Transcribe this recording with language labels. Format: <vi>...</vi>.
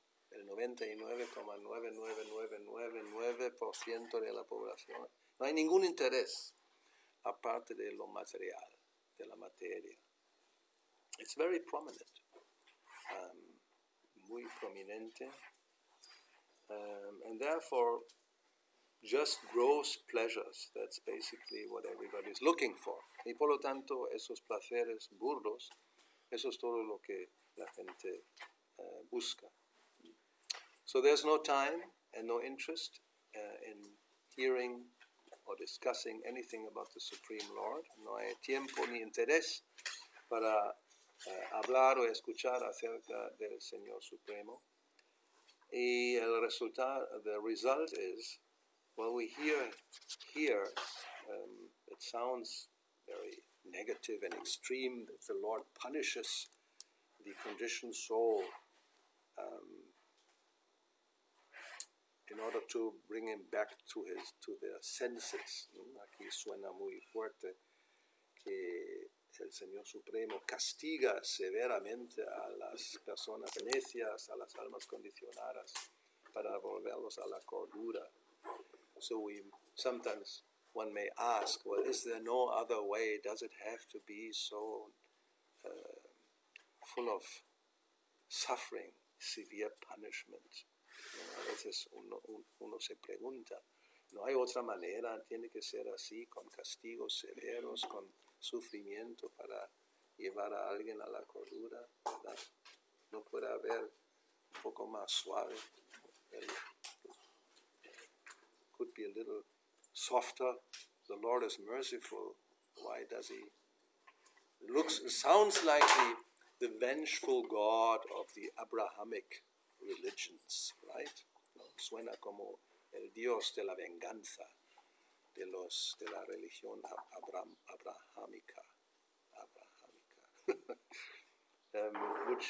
<es>El 99.99999% de la población no hay ningún interés aparte de lo material, de la materia.</es> <en>It's very prominent,</en> <es>muy prominente,</es> <en>and therefore just gross pleasures, that's basically what everybody's looking for.</en> <es>Y por lo tanto esos placeres burdos, eso es todo lo que la gente busca.</es> <en>So there's no time and no interest in hearing or discussing anything about the Supreme Lord.</en> <es>No hay tiempo ni interés para hablar o escuchar acerca del Señor Supremo. Y el resultado,</es> <en>the result is, well, we hear here, it sounds very negative and extreme that the Lord punishes the conditioned soul in order to bring him back to his to their senses.</en> <es>Aquí suena muy fuerte que el Señor Supremo castiga severamente a las personas necias, a las almas condicionadas, para volverlos a la cordura.</es> <en>So we sometimes one may ask, well, is there no other way? Does it have to be so full of suffering, severe punishment?</en> <es>A veces uno se pregunta, ¿no hay otra manera? ¿Tiene que ser así, con castigos severos, con sufrimiento para llevar a alguien a la cordura? ¿Verdad? ¿No puede haber un poco más suave?</es> <en>Could be a little softer. The Lord is merciful. Why does he? Sounds like the vengeful God of the Abrahamic religions, right?</en> <es>Suena como el Dios de la venganza de los de la religión abrahámica.</es>